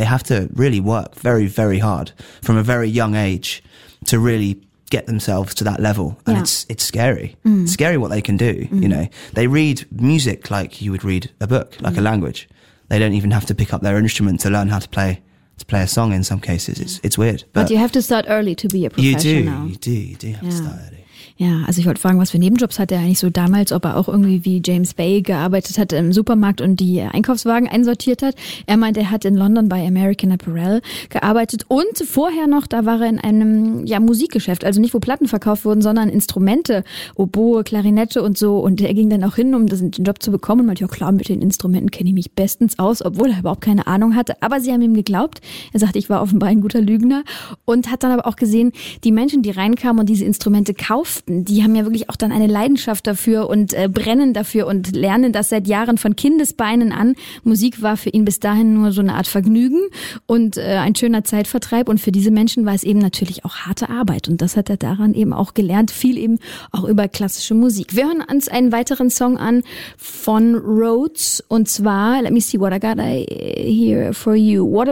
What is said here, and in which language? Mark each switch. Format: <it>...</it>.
<en>They have to really work very, very hard from a very young age to really get themselves to that level. And it's scary. Mm. It's scary what they can do, you know. They read music like you would read a book, like a language. They don't even have to pick up their instrument to learn how to play a song in some cases. It's weird. But you have to start early to be a professional. You do have to start early.</en> <de>Ja, also ich wollte fragen, was für Nebenjobs hat er eigentlich so damals, ob er auch irgendwie wie James Bay gearbeitet hat im Supermarkt und die Einkaufswagen einsortiert hat. Er meint, er hat in London bei American Apparel gearbeitet und vorher noch, da war er in einem Musikgeschäft, also nicht wo Platten verkauft wurden, sondern Instrumente, Oboe, Klarinette und so. Und er ging dann auch hin, um den Job zu bekommen und meinte, ja klar, mit den Instrumenten kenne ich mich bestens aus, obwohl er überhaupt keine Ahnung hatte. Aber sie haben ihm geglaubt. Er sagte, ich war offenbar ein guter Lügner und hat dann aber auch gesehen, die Menschen, die reinkamen und diese Instrumente kaufen, die haben ja wirklich auch dann eine Leidenschaft dafür und brennen dafür und lernen das seit Jahren von Kindesbeinen an. Musik war für ihn bis dahin nur so eine Art Vergnügen und ein schöner Zeitvertreib. Und für diese Menschen war es eben natürlich auch harte Arbeit. Und das hat er daran eben auch gelernt, viel eben auch über klassische Musik. Wir hören uns einen weiteren Song an von Rhodes. Und zwar,</de> <en>let me see what I got here for you.</en>